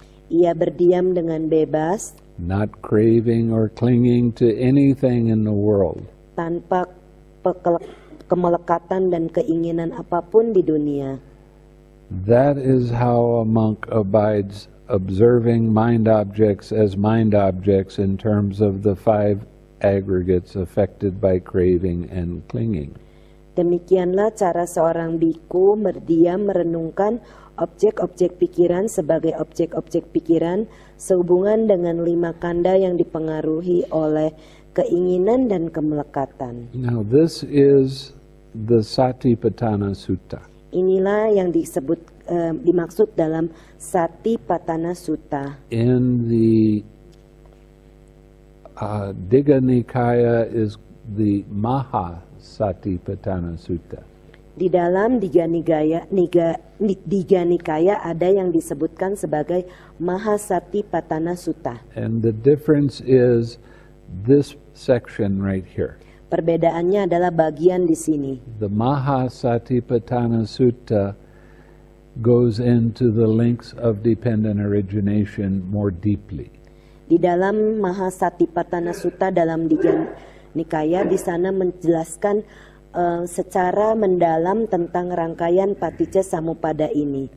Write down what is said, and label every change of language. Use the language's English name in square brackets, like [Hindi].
[Indonesian] Ia berdiam dengan bebas. [English] Not craving or clinging to anything in the world. [Indonesian] Tanpa kemelekatan dan keinginan apapun di dunia. [English] That is how a monk abides observing mind objects as mind objects in terms of the five aggregates affected by craving and clinging. [Indonesian] Demikianlah cara seorang bhikkhu berdiam merenungkan objek-objek pikiran sebagai objek-objek pikiran sehubungan dengan lima kanda yang dipengaruhi oleh keinginan dan kemelekatan. [English] Now this is the Satipatthana Sutta. [Indonesian] Inilah yang disebut dimaksud dalam Satipatthana Sutta. [English] In the Digha Nikaya is the Maha Satipatthana Sutta. [Indonesian] Di dalam Digha Nikaya ada yang disebutkan sebagai Mahasatipatthana Sutta. [English] And the difference is this section right here. [Indonesian] Perbedaannya adalah bagian di sini. [English] The Mahasatipatthana Sutta goes into the links of dependent origination more deeply. [Indonesian] Di dalam Mahasatipatthana Sutta dalam Digha Nikaya di sana menjelaskan secara mendalam tentang rangkaian paticca samuppada ini.